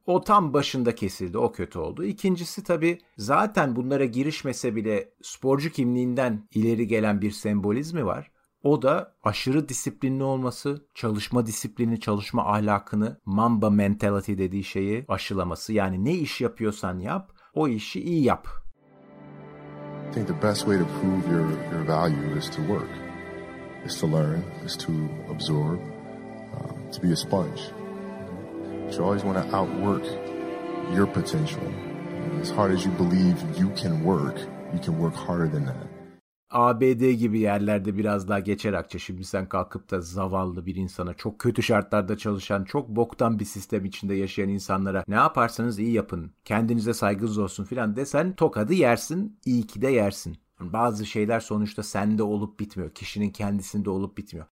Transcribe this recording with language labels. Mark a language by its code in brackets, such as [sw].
[tr] O tam başında kesildi, o kötü oldu. İkincisi tabii zaten bunlara girişmese bile sporcu kimliğinden ileri gelen bir sembolizmi var. O da aşırı disiplinli olması, çalışma disiplini, çalışma ahlakını, Mamba mentality dediği şeyi aşılaması. Yani ne iş yapıyorsan yap, o işi iyi yap. [en] I think the best way to prove your value is to work, is to learn, is to absorb, to be a sponge. You always want to outwork your potential. As hard as you believe you can work harder than that. [tr] ABD gibi yerlerde biraz daha geçer akça. Şimdi sen kalkıp da zavallı bir insana, çok kötü şartlarda çalışan, çok boktan bir sistem içinde yaşayan insanlara ne yaparsanız iyi yapın, kendinize saygınız olsun filan desen tokadı yersin, iyi ki de yersin. Bazı şeyler sonuçta sende olup bitmiyor, kişinin kendisinde olup bitmiyor.